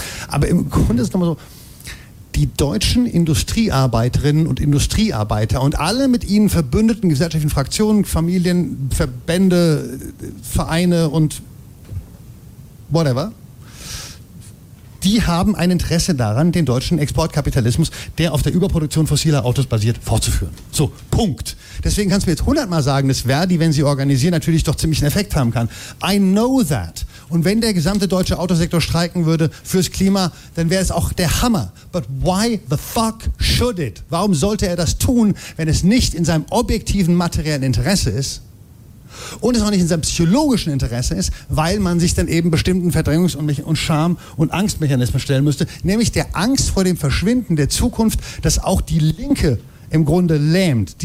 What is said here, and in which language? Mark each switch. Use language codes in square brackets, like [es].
[de] Aber im Grunde ist es nochmal so, die deutschen Industriearbeiterinnen und Industriearbeiter und alle mit ihnen verbündeten gesellschaftlichen Fraktionen, Familien, Verbände, Vereine und whatever, die haben ein Interesse daran, den deutschen Exportkapitalismus, der auf der Überproduktion fossiler Autos basiert, fortzuführen. So, Punkt. Deswegen kannst du mir jetzt 100-mal sagen, dass Verdi, wenn sie organisieren, natürlich doch ziemlich einen Effekt haben kann. [en] I know that. [de] Und wenn der gesamte deutsche Autosektor streiken würde fürs Klima, dann wäre es auch der Hammer. [en] But why the fuck should it? [de] Warum sollte er das tun, wenn es nicht in seinem objektiven materiellen Interesse ist? Und es auch nicht in seinem psychologischen Interesse ist, weil man sich dann eben bestimmten Verdrängungs- und Scham- und Angstmechanismen stellen müsste, nämlich der Angst vor dem Verschwinden der Zukunft, das auch die Linke im Grunde lähmt.